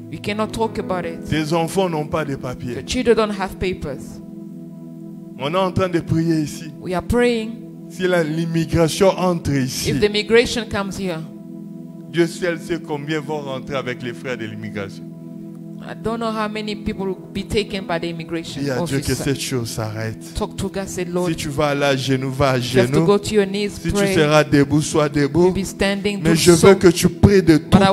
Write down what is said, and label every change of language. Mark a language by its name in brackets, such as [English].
[English] You cannot talk about it. [French] Tes enfants n'ont pas de papier. [English] Your children don't have papers. [French] On est en train de prier ici. [English] We are praying. [French] Si l'immigration entre ici. [English] If the immigration comes here. [French] Dieu seul sait combien vont rentrer avec les frères de l'immigration. [English] I don't know how many people will be taken by the immigration officer. [French] Dieu, que cette chose s'arrête. [English] Talk to God, say, Lord. [French] Si tu vas là, genou, va à genoux. [English] Just to go to your knees, [French] si [English] pray. [French] Si tu seras debout, sois debout. [English] You'll be standing. [French] Mais je veux que tu pries de tout ton cœur.